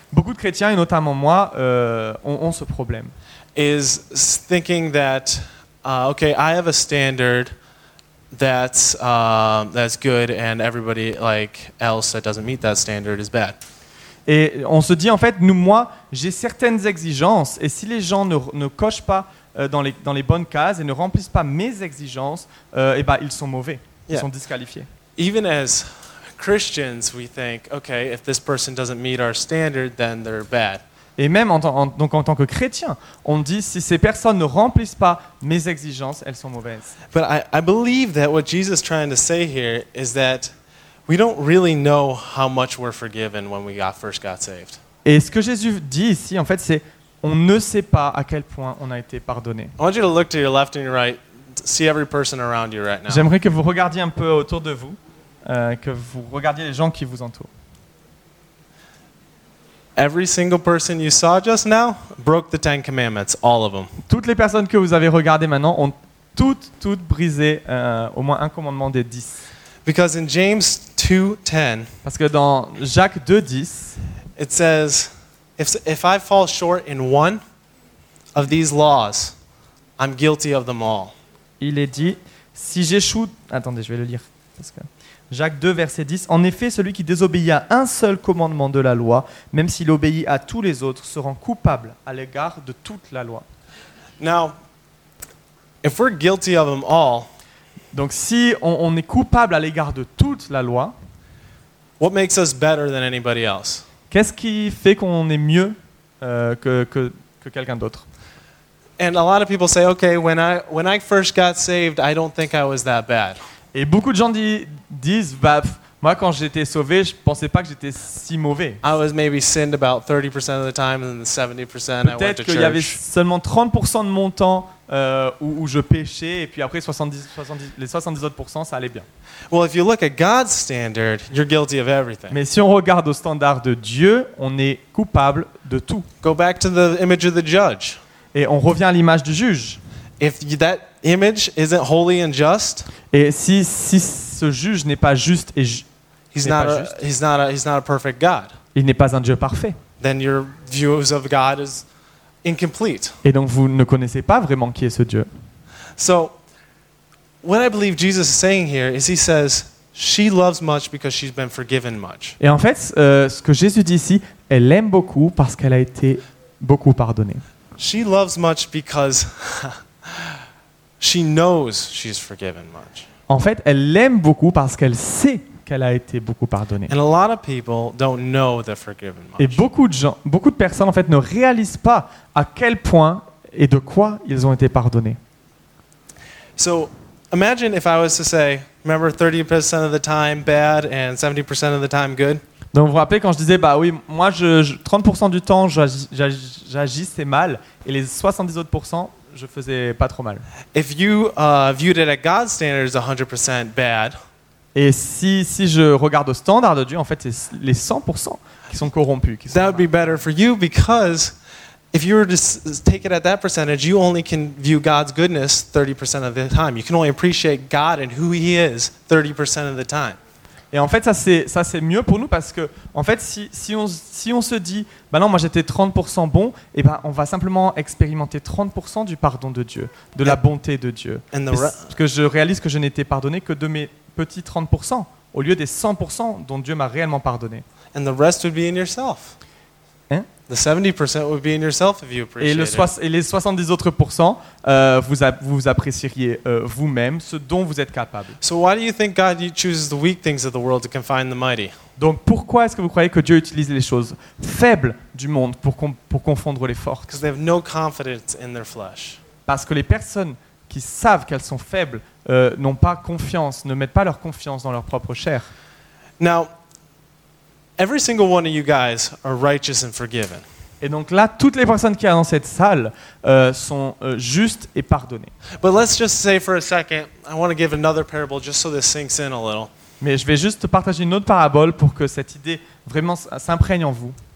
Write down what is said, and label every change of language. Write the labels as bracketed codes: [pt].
[fr] Beaucoup de chrétiens et notamment moi ont ce problème. [en] Is thinking that okay, I have a standard that's good and everybody like else that doesn't meet that standard is bad. [fr] Et on se dit en fait nous moi j'ai certaines exigences et si les gens ne cochent pas dans les bonnes cases et ne remplissent pas mes exigences, et ils sont mauvais, ils sont disqualifiés. [en] Even as Christians, we think, okay, if this person doesn't meet our standard, then they're bad. [fr] Et même en tant que chrétien, on dit si ces personnes ne remplissent pas mes exigences, elles sont mauvaises. [en] But I believe that what Jesus is trying to say here is that we don't really know how much we're forgiven when we first got saved. [fr] Et ce que Jésus dit ici, en fait, c'est on ne sait pas à quel point on a été pardonné. [en] I want you to look to your left and your right, see every person around you right now. [fr] J'aimerais que vous regardiez un peu autour de vous, que vous regardiez les gens qui vous entourent. [en] Every single person you saw just now broke the Ten Commandments, all of them. [fr] Toutes les personnes que vous avez regardées maintenant ont toutes brisé au moins un commandement des 10. [en] Because in James 2:10, [fr] parce que dans Jacques 2:10, [en] it says, if I fall short in one of these laws, I'm guilty of them all. [fr] Il est dit, si j'échoue, attendez, je vais le lire, parce que Jacques 2, verset 10. En effet, celui qui désobéit à un seul commandement de la loi, même s'il obéit à tous les autres, se rend coupable à l'égard de toute la loi. [en] Now, if we're guilty of them all, [fr] donc si on est coupable à l'égard de toute la loi, [en] what makes us better than anybody else? [fr] Qu'est-ce qui fait qu'on est mieux que quelqu'un d'autre? [en] And a lot of people say, okay, when I first got saved, I don't think I was that bad. [fr] Et beaucoup de gens disent, bah, moi quand j'étais sauvé, je ne pensais pas que j'étais si mauvais. [en] I was maybe sinned about 30% of the time, and then the 70% I went to church. [fr] Peut-être qu'il y avait seulement 30% de mon temps où je péchais, et puis après 70 autres pourcents, ça allait bien. [en] Well, if you look at God's standard, you're guilty of everything. [fr] Mais si on regarde au standard de Dieu, on est coupable de tout. [en] Go back to the image of the judge. [fr] Et on revient à l'image du juge. [en] If that image isn't holy and just, [fr] et si ce juge n'est pas juste et [en] he's not a perfect God. [fr] Il n'est pas un Dieu parfait. [en] Then your views of God is incomplete. [fr] Et donc vous ne connaissez pas vraiment qui est ce Dieu. [en] So what I believe Jesus is saying here is he says she loves much because she's been forgiven much. [fr] Et en fait, ce que Jésus dit ici, elle aime beaucoup parce qu'elle a été beaucoup pardonnée. [en] She loves much because she knows she's forgiven much. [fr] En fait, elle l'aime beaucoup parce qu'elle sait qu'elle a été beaucoup pardonnée. [en] And a lot of people don't know they're forgiven much. [fr] Et beaucoup de personnes en fait ne réalisent pas à quel point et de quoi ils ont été pardonnés. [en] So, imagine if I was to say, remember 30% of the time bad and 70% of the time good? [fr] Donc vous vous rappelez quand je disais bah oui, moi je 30% du temps j'agissais mal et les 70% je faisais pas trop mal. [en] If you viewed it at God's standard, it's 100% bad. [fr] Et si je regarde au standard de Dieu, en fait, c'est les 100% qui sont corrompus. Qui sont [en] that would be better for you because if you were to take it at that percentage, you only can view God's goodness 30% of the time. You can only appreciate God and who He is 30% of the time. [fr] Et en fait, ça c'est mieux pour nous parce que en fait, si on se dit, ben non, moi j'étais 30% bon, et ben on va simplement expérimenter 30% du pardon de Dieu, de la bonté de Dieu, parce que je réalise que je n'étais pardonné que de mes petits 30% au lieu des 100% dont Dieu m'a réellement pardonné. [en] And the rest would be in yourself. Hein? The 70% would be in yourself if you appreciate. [fr] Et les 70% vous apprécieriez vous-même ce dont vous êtes capable. [en] So why do you think God chooses the weak things of the world to confine the mighty? [fr] Donc pourquoi est-ce que vous croyez que Dieu utilise les choses faibles du monde pour confondre les forts? [en] Because they have no confidence in their flesh. [fr] Parce que les personnes qui savent qu'elles sont faibles n'ont pas confiance, ne mettent pas leur confiance dans leur propre chair. [en] Now, every single one of you guys are righteous and forgiven. [fr] Et donc là, toutes les personnes qui sont dans cette salle sont justes et pardonnées. [en] But let's just say for a second, I want to give another parable just so this sinks in a little. [fr] Mais je vais juste partager une autre parabole pour que cette idée vraiment s'imprègne en vous.